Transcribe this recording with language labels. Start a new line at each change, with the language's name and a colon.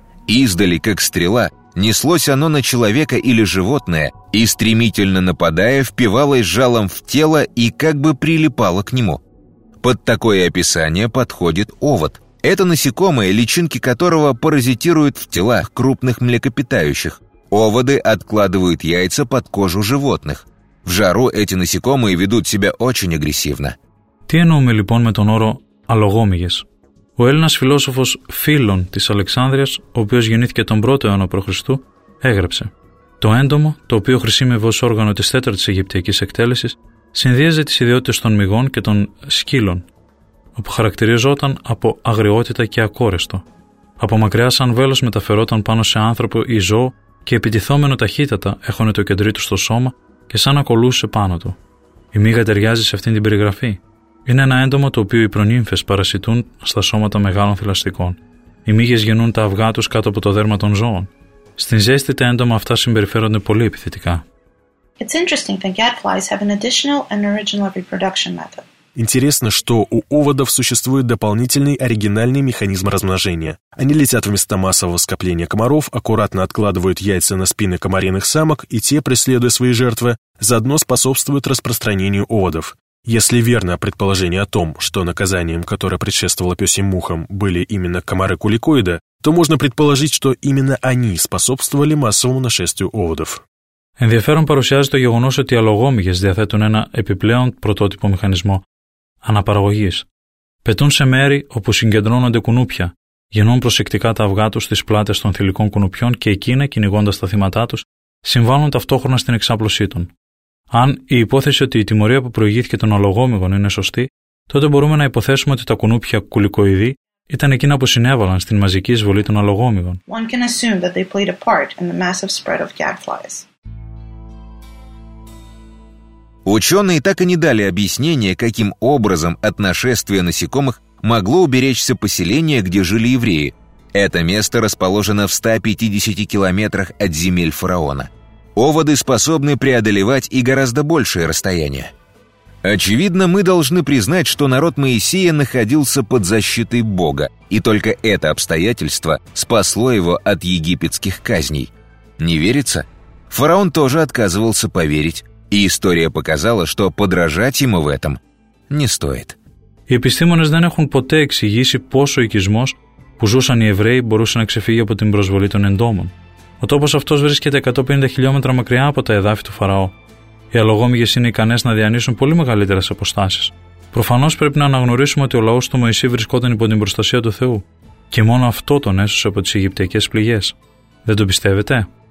Russian: Издали, как стрела, неслось оно на человека или животное, и, стремительно нападая, впивалось жалом в тело и как бы прилипало к нему». Под такое описание подходит овод. Это насекомое, личинки которого паразитируют в телах крупных млекопитающих. Оводы откладывают яйца под кожу животных. В жару эти насекомые ведут себя очень агрессивно.
Greek: Τι εννοούμε λοιπόν με τον όρο αλογόμυγες? Ο Έλληνας φιλόσοφος Φίλων της Αλεξάνδρειας, ο οποίος γεννήθηκε τον 1ο αιώνα π.Χ., έγραψε: «Το έντομο, το οποίο χρησιμεύει ως όργανο της τέταρτης αιγυπτιακής εκτέλεσης, συνδύαζε τις ιδιότητες των μυγών και των σκύλων, όπου χαρακτηριζόταν από αγριότητα και ακόρεστο. Από μακριά, σαν βέλος, μεταφερόταν πάνω σε άνθρωπο ή ζώο και επιτιθόμενο ταχύτατα έχωνε το κεντρί του στο σώμα και σαν να κολούσε πάνω του. Η μύγα ταιριάζει σε αυτήν την περιγραφή. Είναι ένα έντομο το οποίο οι προνύμφες παρασιτούν στα σώματα μεγάλων θηλαστικών. οι μύγες γεννούν τα αυγά τους κάτω από το δέρμα των ζώων. Στην ζέστη τα έντομα αυτά συμπεριφέρονται πολύ επιθετικά.
English: It's interesting that gadflies have an additional and original reproduction method.
Russian: Интересно, что у оводов существует дополнительный оригинальный механизм размножения. Они летят вместо массового скопления комаров, аккуратно откладывают яйца на спины комариных самок, и те, преследуя свои жертвы, заодно способствуют распространению оводов. Если верно предположение о том, что наказанием, которое предшествовало пёсьим мухам, были именно комары куликоида, то можно предположить, что именно они способствовали массовому нашествию оводов.
Greek: Ενδιαφέρον παρουσιάζει το γεγονός ότι οι αλογόμυγες διαθέτουν ένα επιπλέον πρωτότυπο μηχανισμό αναπαραγωγής. Πετούν σε μέρη όπου συγκεντρώνονται κουνούπια, γεννούν προσεκτικά τα αυγά τους στις πλάτες των θηλυκών κουνουπιών και εκείνα, κυνηγώντας τα θύματά τους, συμβάλλουν ταυτόχρονα στην εξάπλωσή των. Αν η υπόθεση ότι η τιμωρία που προηγήθηκε των αλογόμυγων είναι σωστή, τότε μπορούμε να υποθέσουμε ότι τα κουνούπια κουλικοειδή ήταν εκείνα που συνέβαλαν στην μαζική εισβολή των αλογόμυγων.
English: One can assume that they played a part in the massive spread of gadflies.
Russian: Ученые так и не дали объяснения, каким образом от нашествия насекомых могло уберечься поселение, где жили евреи. Это место расположено в 150 километрах от земель фараона. Оводы способны преодолевать и гораздо большее расстояние. Очевидно, мы должны признать, что народ Моисея находился под защитой Бога, и только это обстоятельство спасло его от египетских казней. Не верится? Фараон тоже отказывался поверить. И история показала, что подражать ему в этом не стоит.
Greek: Οι επιστήμονες δεν έχουν ποτέ εξηγήσει πόσο ο οικισμός που ζούσαν οι Εβραίοι μπορούσε να ξεφύγει από την προσβολή των εντόμων. Ο τόπος αυτός βρίσκεται 150 χιλιόμετρα μακριά από τα εδάφη του Φαραώ. Οι αλογόμυγες είναι ικανές να διανύσουν πολύ μεγαλύτερες αποστάσεις. Προφανώς πρέπει να αναγνωρίσουμε ότι ο λαός του Μωυσή βρισκόταν υπό την προστασία του Θεού και μόνο αυτό τον έσωσε από τις αιγυπτιακές πληγές. Δεν το πιστεύετε?